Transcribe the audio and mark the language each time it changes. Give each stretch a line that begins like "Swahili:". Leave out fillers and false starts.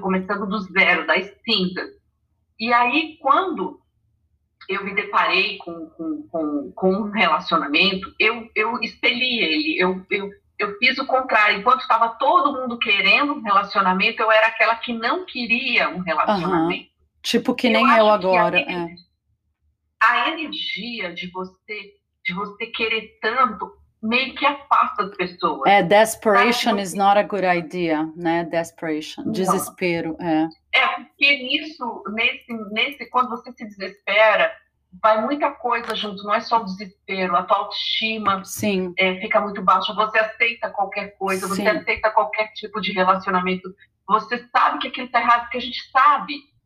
Portuguese: Começando do zero, das cinzas. E aí, quando eu me deparei com um relacionamento, eu expeli ele, eu fiz o contrário. Enquanto estava todo mundo querendo um relacionamento, eu era aquela que não queria um relacionamento. Tipo que Eu nem eu acho que agora, é. a energia de você querer tanto meio que afasta as pessoas.
English: É, desperation is not a good idea, né?
Portuguese: Desperation, desespero, é. É, porque nisso, nesse, quando você se desespera, vai muita coisa junto, não é só desespero, a tua autoestima Sim. É, fica muito baixa, você aceita qualquer coisa, Sim. você aceita qualquer tipo de relacionamento, você sabe que aquilo tá errado, porque a gente sabe.